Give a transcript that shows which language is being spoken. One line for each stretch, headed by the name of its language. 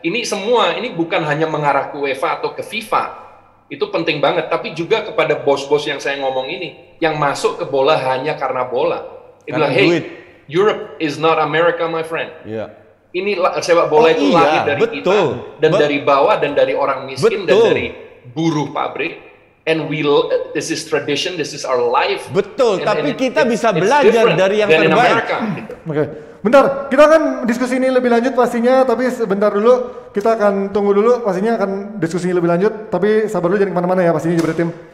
Indonesian: Ini bukan hanya mengarah ke UEFA atau ke FIFA. Itu penting banget, tapi juga kepada bos-bos yang saya ngomong ini yang masuk ke bola hanya karena bola. Dia bilang,
English: "Hey, Europe is not America, my friend."
Indonesian: Iya. Ini sepak bola itu lahir dari betul. Kita dan dari bawah dan dari orang miskin betul. Dan dari buruh pabrik.
English: And this is tradition, this is our life.
Indonesian: Betul, tapi kita bisa belajar dari yang terbaik. Gitu. Oke, bentar, kita akan diskusi ini lebih lanjut pastinya, tapi sebentar dulu, kita akan tunggu dulu, pastinya akan diskusi ini lebih lanjut, tapi sabar dulu, jangan kemana-mana ya, pastinya Jabri Tim.